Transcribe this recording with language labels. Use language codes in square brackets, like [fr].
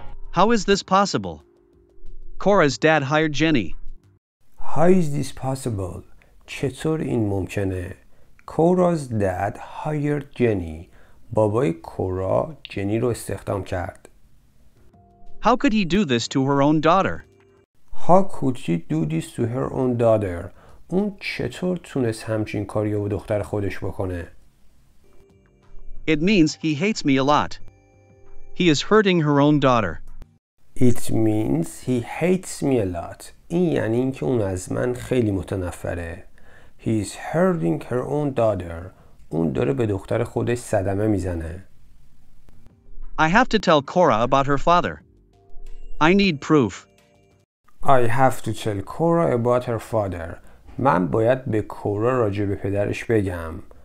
[en] How is this possible? Cora's dad hired Jenny. How is this possible? [fa] چطور این ممکنه؟ [en] Cora's dad hired Jenny. [fa] بابای کورا جنی رو استخدام کرد. [en] How could he do this to her own daughter? How could she do this to her own daughter? [fa] اون چطور تونست همچین کاری رو به دختر خودش بکنه؟ [en] It means he hates me a lot. He is hurting her own daughter. It means he hates me a lot. [fa] این یعنی این که اون از من خیلی متنفره. [en] He is hurting her own daughter. [fa] اون داره به دختر خودش صدمه میزنه. [en] I have to tell Cora about her father. I need proof. I have to tell Cora about her father. [fa] من باید به کورا راجع به پدرش بگم.